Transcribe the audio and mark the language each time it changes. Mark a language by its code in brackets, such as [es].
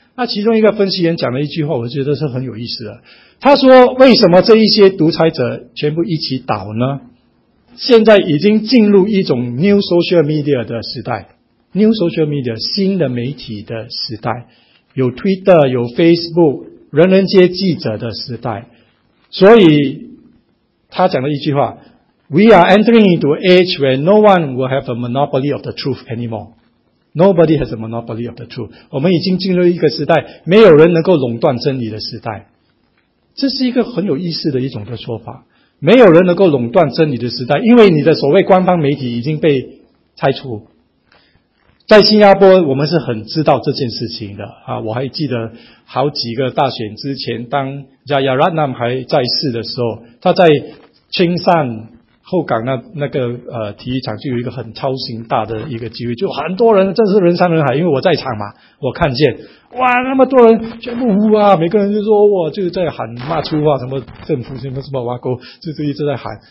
[zh] 那其中一个分析员讲了一句话，我觉得是很有意思的。他说，为什么这一些独裁者全部一起倒呢？现在已经进入一种 new social media 的时代， new social media 新的媒体的时代，有 Twitter 有 Facebook 人人皆记者的时代，所以 [en] 他讲了一句话， We are entering into an age where no one will have a monopoly of the truth anymore. Nobody has a monopoly of the truth. [zh] 我们已经进入一个时代，没有人能够垄断真理的时代。这是一个很有意思的一种的说法，没有人能够垄断真理的时代，因为你的所谓官方媒体已经被拆除。在新加坡我们是很知道这件事情的啊，我还记得好几个大选之前，当 Jayaratnam 还在世的时候，他在青山后港那个体育场就有一个很超型大的一个机会，就很多人，真是人山人海，因为我在场嘛，我看见哇那么多人全部呼啊，每个人就说哇，就在喊骂粗话，什么政府什么什么挖沟，就一直在喊。